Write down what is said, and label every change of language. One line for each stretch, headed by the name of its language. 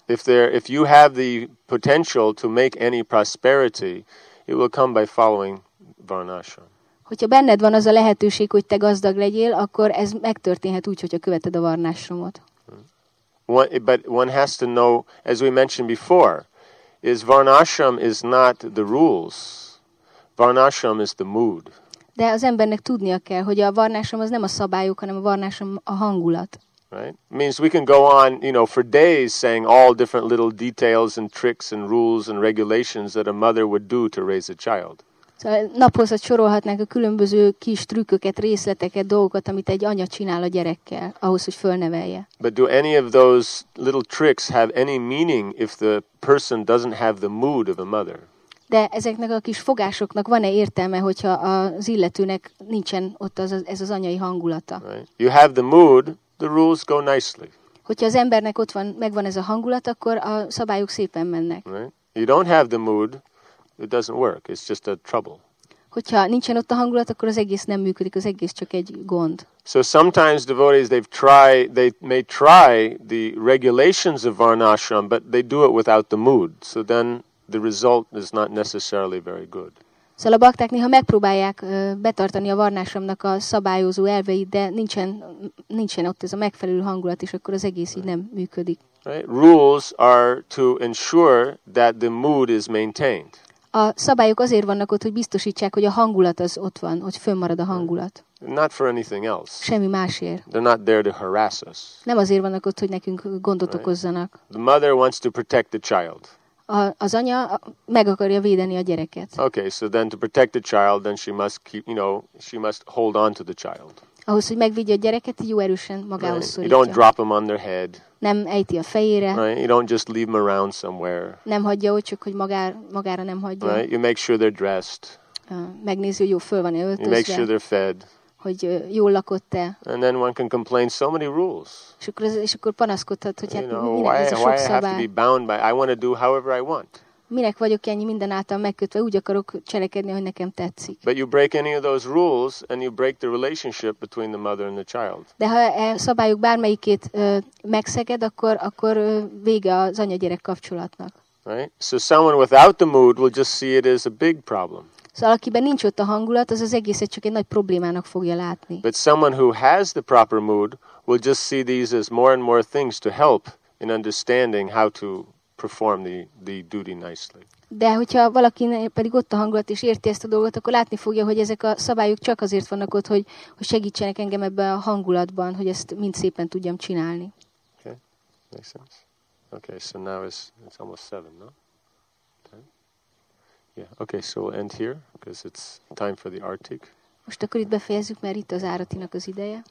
English: If you have the potential to make any prosperity, it will come by following Varnashram.
Hungarian: Hogyha benned van az a lehetőség, hogy te gazdag legyél, akkor ez megtörténhet úgy, hogyha követed a Varnashramot.
English: But one has to know, as we mentioned before, is Varnashram is not the rules. Varnashram is the mood.
Hungarian: De az embernek tudnia kell, hogy a Varnashram az nem a szabályok, hanem a Varnashram a hangulat.
English: Right? Means we can go on, you know, for days saying all different little details and tricks and rules and regulations that a mother would do to raise a child.
Hungarian: Szóval naphozat sorolhatnánk a különböző kis trükköket, részleteket, dolgokat, amit egy anya csinál a gyerekkel, ahhoz, hogy fölnevelje.
English: But do any of those little tricks have any meaning if the person doesn't have the mood of a mother?
Hungarian: De ezeknek a kis fogásoknak van-e értelme, hogyha az illetőnek nincsen ott ez az anyai hangulata?
English: Right. You have the mood, the rules go nicely.
Hungarian: Hogyha az embernek ott van, megvan ez a hangulat, akkor a szabályok szépen mennek.
English: Right. You don't have the mood, it doesn't work. It's just a trouble.
Hungarian: Hogyha nincsen ott a hangulat, akkor az egész nem működik, az egész csak egy gond.
English: So sometimes devotees, they may try the regulations of Varnashram, but they do it without the mood. So then the result is not necessarily very good.
Hungarian: Szóval a bakták néha megpróbálják betartani a Varnashramnak a szabályozó elveit, de nincsen ott ez a megfelelő hangulat, és akkor az egész így nem működik.
English: Right. Rules are to ensure that the mood is maintained.
Hungarian: A szabályok azért vannak ott, hogy biztosítsák, hogy a hangulat az ott van, hogy fönnmarad a hangulat.
English: Not for anything else.
Hungarian: Semmi másért.
English: They're not there to harass us.
Hungarian: Nem azért vannak ott, hogy nekünk gondot
English: right.
Hungarian: okozzanak.
English: The mother wants to protect the child.
Hungarian: Az anya meg akarja védeni a gyereket.
English: Okay, so then to protect the child, then she must keep, you know, she must hold on to the child.
Hungarian: Ahhoz, hogy megvédje a gyereket, jó erősen magához szorítja.
English: You don't drop him on their head.
Hungarian: Nem ejti a fejére.
English: Right? You don't just leave him around somewhere.
Hungarian: Nem hagyja ott, csak hogy magára nem hagyja.
English: Right? You make sure they're dressed.
Hungarian: Megnézi, hogy jó föl van-e öltözve.
English: You make sure they're fed.
Hungarian: Hogy jól lakott-e.
English: And then one can complain so many rules.
Hungarian: És akkor panaszkodhat, hogy hát
English: why I have to be bound by? I want to do however I want.
Hungarian: Minek vagyok ennyi minden által megkötve, úgy akarok cselekedni, hogy nekem tetszik.
English: But you break any of those rules and you break the relationship between the mother and the child.
Hungarian: De ha a szabályok bármelyikét megszeged, akkor vége az anya-gyerek kapcsolatnak.
English: Right? So someone without the mood will just see it as a big problem.
Hungarian: Szóval akiben nincs ott a hangulat, az egészet csak egy nagy problémának fogja látni.
English: But someone who has the proper mood will just see these as more and more things to help in understanding how to perform the duty nicely.
Hungarian: De hogyha valaki pedig ott a hangulat és érti ezt a dolgot, akkor látni fogja, hogy ezek a szabályok csak azért vannak ott, hogy segítsenek engem ebben a hangulatban, hogy ezt mind szépen tudjam csinálni.
English: Okay, makes sense. Okay, so now it's almost 7, no? Yeah. Okay, so we'll end here because it's time for the artik.
Hungarian: Most akkor itt befejezzük, mert itt az áratinak az ideje.